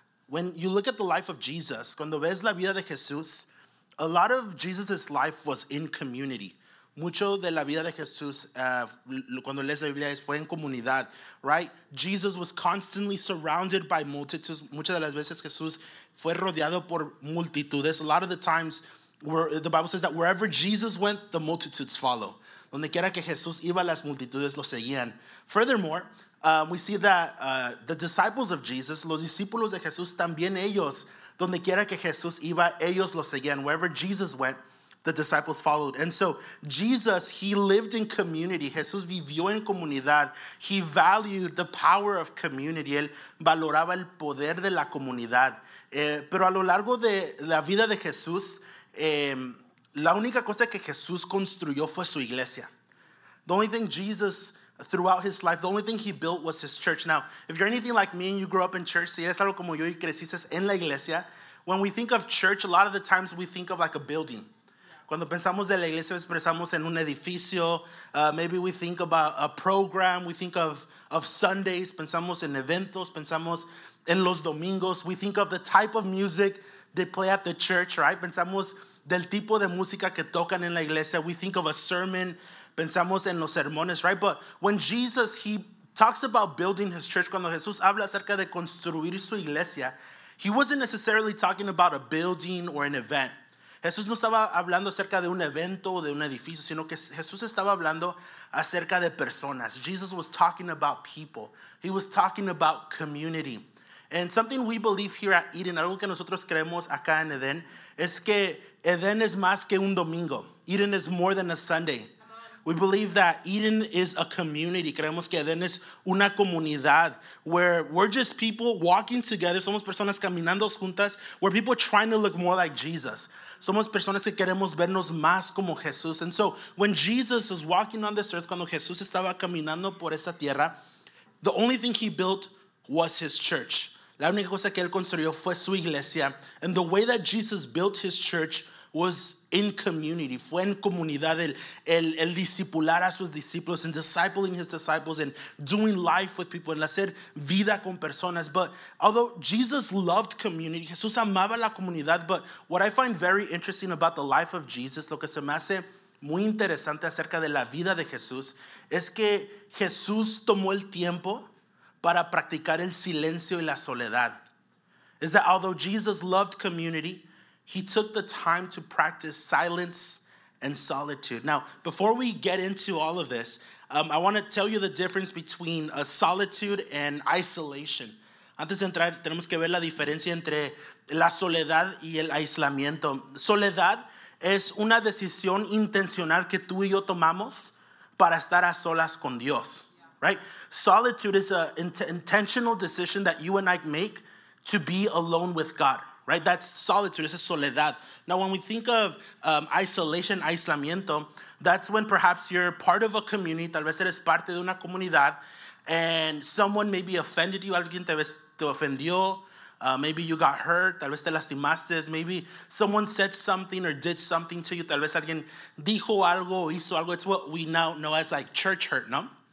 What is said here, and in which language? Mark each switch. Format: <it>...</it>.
<en>When you look at the life of Jesus,</en> <es>cuando ves la vida de Jesús,</es> <en>a lot of Jesus's life was in community.</en> <es>Mucho de la vida de Jesús, cuando lees la Biblia, fue en comunidad, right?</es> <en>Jesus was constantly surrounded by multitudes.</en> <es>Muchas de las veces Jesús fue rodeado por multitudes.</es> <en>A lot of the times, the Bible says that wherever Jesus went, the multitudes follow.</en> <es>Donde quiera que Jesús iba, las multitudes lo seguían.</es> <en>Furthermore, we see that the disciples of Jesus,</en> <es>los discípulos de Jesús, también ellos, donde quiera que Jesús iba, ellos lo seguían.</es> <en>Wherever Jesus went, the disciples followed. And so Jesus, he lived in community.</en> <es>Jesús vivió en comunidad.</es> <en>He valued the power of community.</en> <es>Él valoraba el poder de la comunidad. Pero a lo largo de la vida de Jesús, la única cosa que Jesús construyó fue su iglesia.</es> <en>The only thing Jesus, throughout his life, the only thing he built was his church. Now, if you're anything like me and you grew up in church,</en> <es>si eres algo como yo y creciste en la iglesia,</es> <en>when we think of church, a lot of the times we think of like a building.</en> <es>Cuando pensamos de la iglesia, pensamos en un edificio.</es> <en>Maybe we think about a program. We think of Sundays.</en> <es>Pensamos en eventos. Pensamos en los domingos.</es> <en>We think of the type of music they play at the church, right?</en> <es>Pensamos del tipo de música que tocan en la iglesia.</es> <en>We think of a sermon.</en> <es>Pensamos en los sermones,</es> <en>right? But when Jesus, he talks about building his church,</en> <es>cuando Jesús habla acerca de construir su iglesia,</es> <en>he wasn't necessarily talking about a building or an event.</en> <es>Jesús no estaba hablando acerca de un evento o de un edificio, sino que Jesús estaba hablando acerca de personas.</es> <en>Jesus was talking about people. He was talking about community. And something we believe here at Eden,</en> <es>algo que nosotros creemos acá en Edén, es que Edén es más que un domingo.</es> <en>Eden is more than a Sunday. We believe that Eden is a community.</en> <es>Creemos que Eden es una comunidad</es> <en>where we're just people walking together.</en> <es>Somos personas caminando juntas.</es> <en>We're people trying to look more like Jesus.</en> <es>Somos personas que queremos vernos más como Jesús.</es> <en>And so when Jesus is walking on this earth,</en> <es>cuando Jesús estaba caminando por esta tierra,</es> <en>the only thing he built was his church.</en> <es>La única cosa que él construyó fue su iglesia.</es> <en>And the way that Jesus built his church was in community.</en> <es>Fue en comunidad el discipular a sus discípulos</es> <en>and discipling his disciples</en> <es>and doing life with people and hacer vida con personas.</es> <en>But although Jesus loved community,</en> <es>Jesús amaba la comunidad,</es> <en>but what I find very interesting about the life of Jesus,</en> <es>lo que se me hace muy interesante acerca de la vida de Jesús, es que Jesús tomó el tiempo para practicar el silencio y la soledad.</es> <en>Is that although Jesus loved community, he took the time to practice silence and solitude. Now, before we get into all of this, I want to tell you the difference between a solitude and isolation.</en> <es>Antes de entrar, tenemos que ver la diferencia entre la soledad y el aislamiento. Soledad es una decisión intencional que tú y yo tomamos para estar a solas con Dios, right?</es> <en>Solitude is an intentional decision that you and I make to be alone with God. Right, that's solitude, it's a soledad. Now, when we think of isolation, aislamiento, that's when perhaps you're part of a community,</en> <es>tal vez eres parte de una comunidad,</es> <en>and someone maybe offended you,</en> <es>alguien te ofendió,</es> <en>maybe you got hurt,</en> <es>tal vez te lastimaste,</es> <en>maybe someone said something or did something to you,</en> <es>tal vez alguien dijo algo, hizo algo,</es> <en>it's what we now know as like church hurt, no?</en>